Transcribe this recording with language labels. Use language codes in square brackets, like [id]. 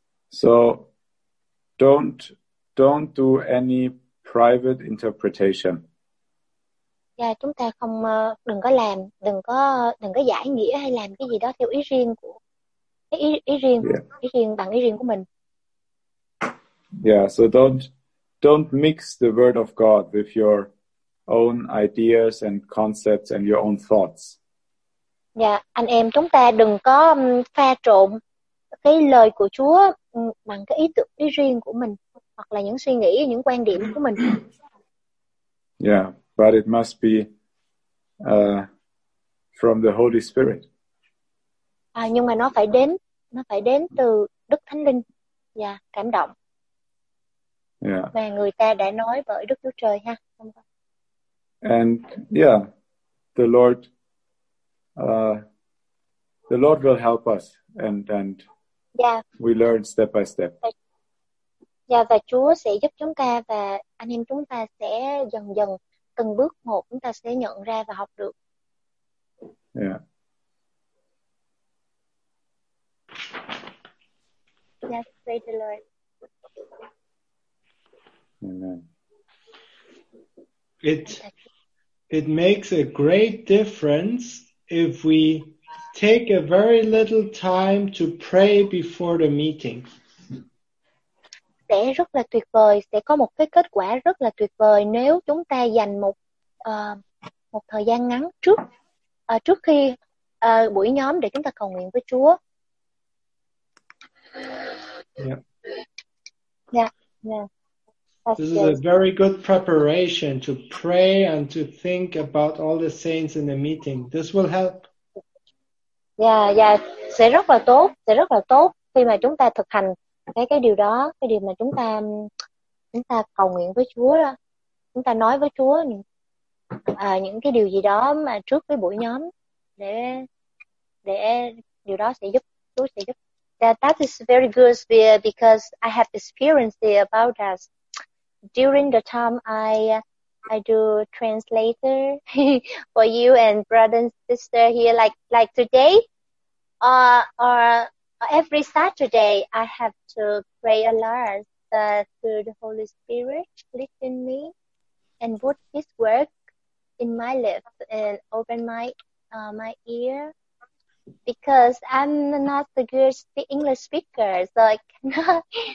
[en] So, don't do any private interpretation. [vi] Dạ, chúng ta không đừng có giải nghĩa hay làm cái gì đó theo ý riêng của ý riêng yeah. ý riêng của mình. [en] Yeah, so don't mix the word of God with your own ideas and concepts and your own thoughts. [vi] Dạ, anh em chúng ta đừng có pha trộn cái lời của Chúa bằng cái ý tưởng ý riêng của mình hoặc là những suy nghĩ, những quan điểm của mình. [en] Yeah, but it must be from the Holy Spirit. [vi] À, nhưng mà nó phải đến từ Đức Thánh Linh. Dạ, yeah, cảm động. Yeah. Và người ta đã nói bởi Đức Chúa Trời ha. [en] And yeah, the Lord will help us and yeah. We learn step by step. [vi] Yeah, và Chúa sẽ giúp chúng ta và anh em chúng ta sẽ dần dần từng bước một chúng ta sẽ nhận ra và học được. Yeah. [en] Yes, pray the Lord. Amen. It makes a great difference if we take a very little time to pray before the meeting. [vi] Sẽ rất là tuyệt vời, sẽ có một cái kết quả rất là tuyệt vời nếu chúng ta dành một một thời gian ngắn trước khi buổi nhóm để chúng ta cầu nguyện với Chúa. [en] This is a very good preparation to pray and to think about all the saints in the meeting. This will help. [vi] Sẽ rất là tốt. Sẽ rất là tốt khi mà chúng ta thực hành cái điều đó, cái điều mà chúng ta cầu nguyện với Chúa đó. Chúng ta nói với Chúa những cái điều gì đó mà trước cái buổi nhóm để điều đó sẽ giúp, Chúa sẽ giúp. [en] That is very good because I have experienced it about that. During the time I do translator for you and brother and sister here, like today, or every Saturday, I have to pray a lot through the Holy Spirit leading me and put His work in my lips and open my ear, because I'm not a good English speaker, so I cannot.